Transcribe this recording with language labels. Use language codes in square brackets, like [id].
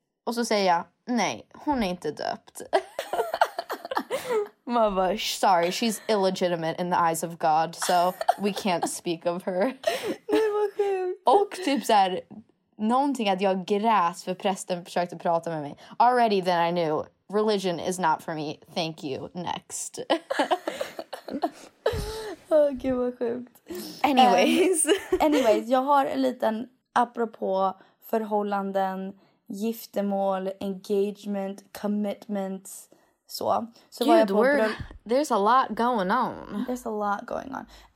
[sv] Och så säger jag, nej, hon är inte döpt. [en] Mamma, sorry, she's illegitimate in the eyes of God, so we can't speak of her. [sv] Det var sjukt. Och typ så här, någonting att jag grät för prästen försökte prata med mig. [en] Already then I knew, religion is not for me, thank you, next. [sv] Gud, vad sjukt. [en] Anyways. [sv] Anyways, jag har en liten apropå förhållanden, giftermål, engagement, commitments... [en] There's a lot going on. There's a lot going on.